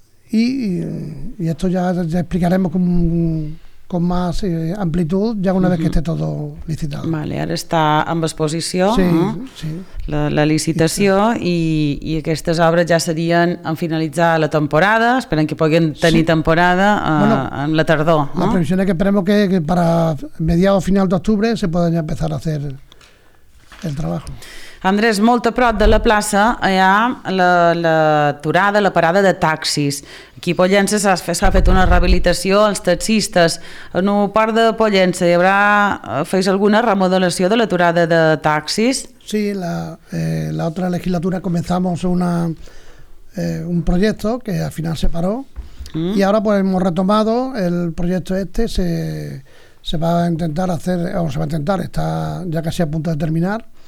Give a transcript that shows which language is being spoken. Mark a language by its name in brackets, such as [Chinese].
[Spanish] Y esto ya explicaremos con más amplitud ya una vez que esté todo licitado. [Catalan] Vale, ara està amb exposició, sí, no? Sí. La licitació i aquestes obres ja serien en finalitzar la temporada, esperem que puguin tenir temporada en la tardor. La previsió és que esperem que [Spanish] para mediados o final d'octubre se puedan ya empezar a hacer el trabajo. [Catalan] Andrés, molt a prop de la plaça hi ha la aturada, la parada de taxis. Aquí a Pollença s'ha fet una rehabilitació als taxistes. En un parc de Pollença hi haurà fet alguna remodelació de l'aturada de taxis? [Spanish] Sí, la otra legislatura comenzamos un proyecto que al final se paró y ahora pues hemos retomado el proyecto este, se va a intentar hacer, o se va a intentar, está ya casi a punto de terminar.